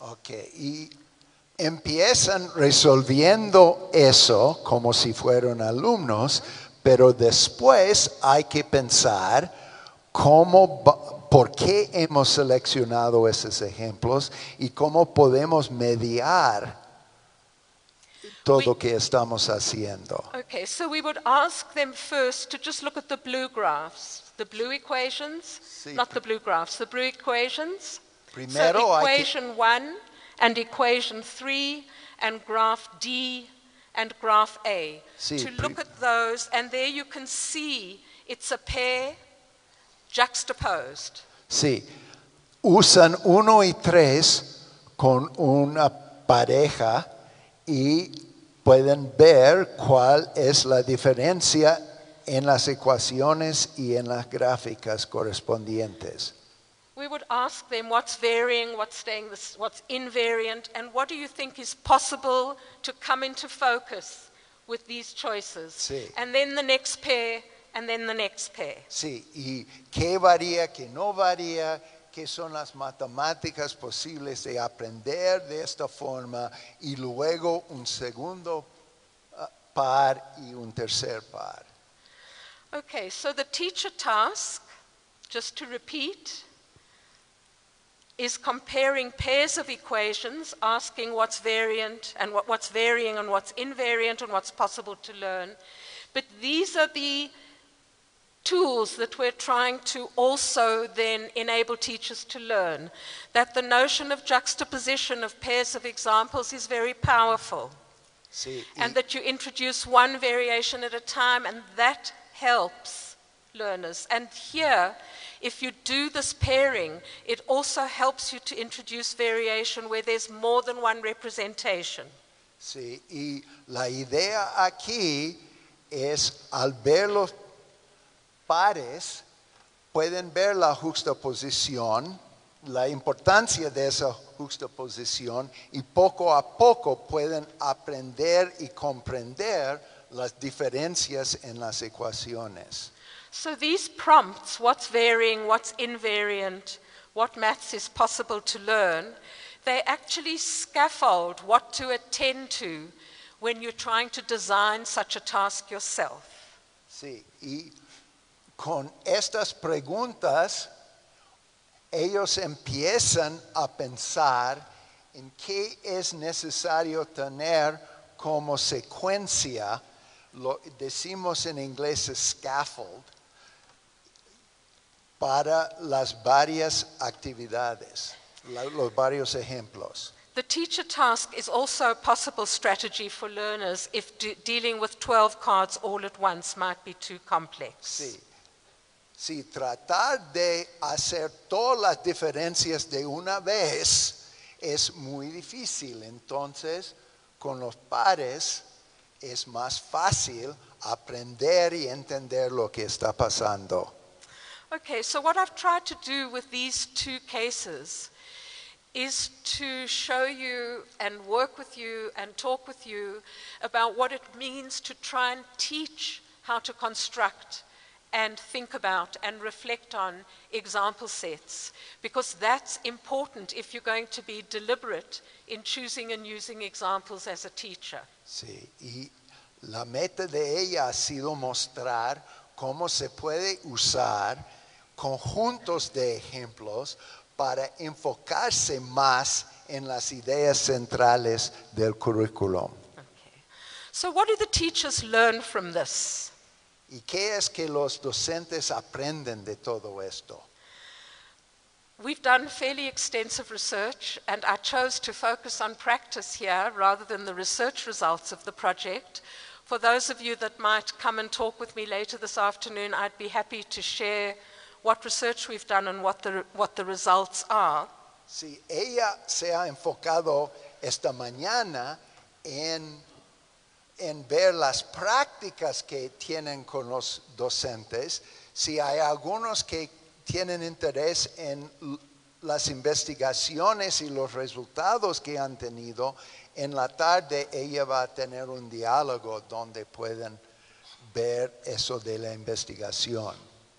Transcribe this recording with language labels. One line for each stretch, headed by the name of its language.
English: Okay.
Spanish: Y empiezan resolviendo eso como si fueran alumnos, pero después hay que pensar cómo... ¿Por qué hemos seleccionado esos ejemplos y cómo podemos mediar todo lo que estamos haciendo?
English: Okay, so we would ask them first to just look at the blue graphs, the blue equations, sí. Not the blue graphs, the blue equations.
Spanish: Primero
English: so equation 1 and equation 3 and graph D and graph A.
Spanish: Sí,
English: to look at those, and there you can see it's a pair juxtaposed.
Spanish: Sí. Usan uno y tres con una pareja y pueden ver cuál es la diferencia en las ecuaciones y en las gráficas correspondientes.
English: We would ask them what's varying, what's staying, what's invariant, and what do you think is possible to come into focus with these choices?
Spanish: Sí.
English: And then the next pair, and then the next pair.
Spanish: Sí, y qué varía, qué no varía, qué son las matemáticas posibles de aprender de esta forma, y luego un segundo par y un tercer par.
English: Okay, so the teacher task, just to repeat, is comparing pairs of equations, asking what's variant and what's varying and what's invariant and what's possible to learn. But these are the tools that we're trying to also then enable teachers to learn, that the notion of juxtaposition of pairs of examples is very powerful.
Spanish: Sí,
English: and that you introduce one variation at a time, and that helps learners. And here, if you do this pairing, it also helps you to introduce variation where there's more than one representation.
Spanish: Sí, y la idea aquí es al ver los pares, pueden ver la juxtaposición, la importancia de esa juxtaposición, y poco a poco pueden aprender y comprender las diferencias en las ecuaciones.
English: So these prompts, what's varying, what's invariant, what maths is possible to learn, they actually scaffold what to attend to when you're trying to design such a task yourself.
Spanish: Sí, y con estas preguntas, ellos empiezan a pensar en qué es necesario tener como secuencia. Lo decimos en inglés scaffold, para las varias actividades, los varios ejemplos.
English: The teacher task is also a possible strategy for learners if dealing with 12 cards all at once might be too complex.
Spanish: Sí. Sí, tratar de hacer todas las diferencias de una vez es muy difícil. Entonces, con los pares es más fácil aprender y entender lo que está pasando.
English: Okay, so what I've tried to do with these two cases is to show you and work with you and talk with you about what it means to try and teach how to construct and think about and reflect on example sets, because that's important if you're going to be deliberate in choosing and using examples as a teacher.
Spanish: Sí, y la meta de ella ha sido mostrar cómo se puede usar conjuntos de ejemplos para enfocarse más en las ideas centrales del currículum.
English: Okay. So what do the teachers learn from this?
Spanish: ¿Y qué es que los docentes aprenden de todo esto?
English: We've done fairly extensive research, and I chose to focus on practice here rather than the research results of the project. For those of you that might come and talk with me later this afternoon, I'd be happy to share what research we've done and what the results are.
Spanish: Sí, ella se ha enfocado esta mañana en ver las prácticas que tienen con los docentes. Si hay algunos que tienen interés en las investigaciones y los resultados que han tenido, en la tarde ella va a tener un diálogo donde pueden ver eso de la investigación.